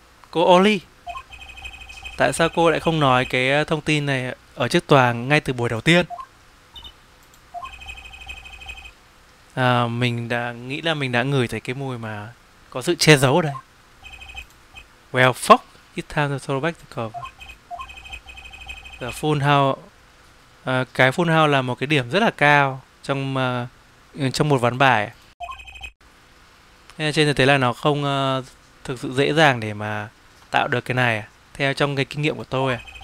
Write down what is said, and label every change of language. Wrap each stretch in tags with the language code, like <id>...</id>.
<vi>Cô Oli, tại sao cô lại không nói cái thông tin này ở trước tòa ngay từ buổi đầu tiên? Mình đã nghĩ là mình đã ngửi thấy cái mùi mà có sự che giấu ở đây.</vi> <en>Well, fuck, it's time to throw back the cover.</en> <vi>The full house, cái full house là một cái điểm rất là cao trong trong một ván bài. Nên trên thực tế là nó không thực sự dễ dàng để mà tạo được cái này theo trong cái kinh nghiệm của tôi.</vi>